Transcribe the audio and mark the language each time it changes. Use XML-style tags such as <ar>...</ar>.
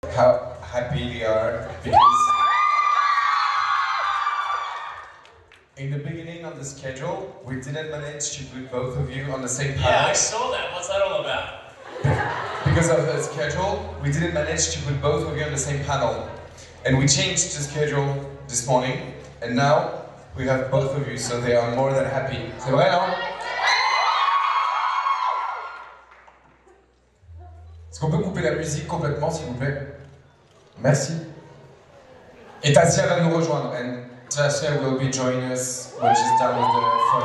<en>how happy we are, because in the beginning of the schedule, we didn't manage to put both of you on the same panel. Yeah, I saw that. What's that all about? Because of the schedule, we didn't manage to put both of you on the same panel. And we changed the schedule this morning, and now we have both of you, so they are more than happy. So right now,</en> <fr>est-ce qu'on peut couper la musique complètement, s'il vous plaît? Merci. Et Tasya va nous rejoindre.</fr> <en>And Tasya will be joining us when she's done with the photo.</en>